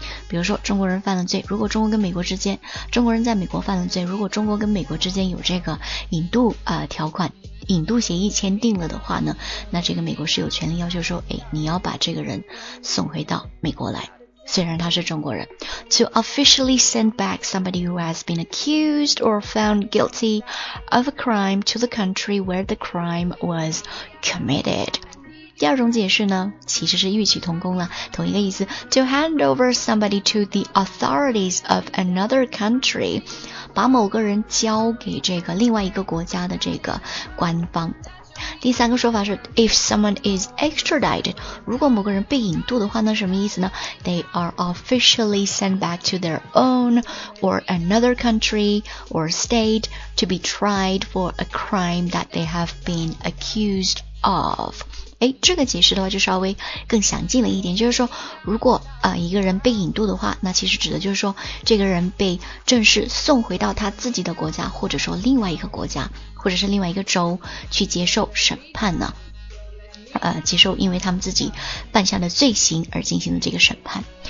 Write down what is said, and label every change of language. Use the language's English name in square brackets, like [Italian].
[Chinese] 比如说中国人犯了罪，如果中国跟美国之间，中国人在美国犯了罪，如果中国跟美国之间有这个引渡条款，引渡协议签订了的话呢，那这个美国是有权利要求说，哎，你要把这个人送回到美国来，虽然他是中国人。 [English] To officially send back somebody who has been accused or found guilty of a crime to the country where the crime was committed。 [Chinese] 第二种解释呢，其实是异曲同工了，同一个意思。 [English] To hand over somebody to the authorities of another country， [Chinese] 把某个人交给这个另外一个国家的这个官方。第三个说法是 [English] If someone is extradited， [Chinese] 如果某个人被引渡的话，那什么意思呢？ [English] They are officially sent back to their own or another country or state to be tried for a crime that they have been accused of。 [Chinese] 哎，这个解释的话就稍微更详尽了一点，就是说如果一个人被引渡的话，那其实指的就是说这个人被正式送回到他自己的国家，或者说另外一个国家，或者是另外一个州去接受审判呢，接受因为他们自己犯下的罪行而进行的这个审判。